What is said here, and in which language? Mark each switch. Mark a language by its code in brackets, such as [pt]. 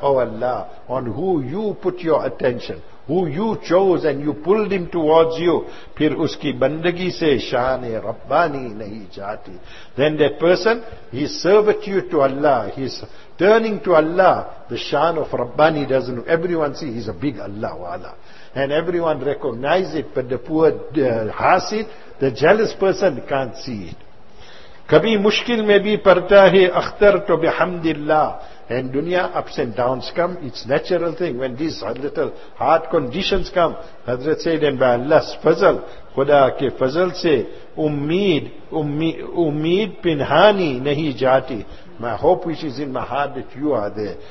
[en] Oh Allah, on who you put your attention, who you chose and you pulled him towards you, [ur] پھر اس کی بندگی سے شانِ ربانی نہیں جاتی. [en] Then that person, he servitude to Allah, he is turning to Allah, the shan of Rabbani doesn't, everyone see he's a big Allah wala. And everyone recognize it, but the poor hasid, the jealous person can't see it. [ur] کبھی مشکل میں بھی پڑتا ہے اختر تو بحمداللہ. [en] And dunya ups and downs come, it's natural thing. When these little hard conditions come, Hazrat said, and by Allah's fazal, [ur] khuda ke fazal se, ummeed pinhani nahi jati. [en] My hope which is in my heart that you are there.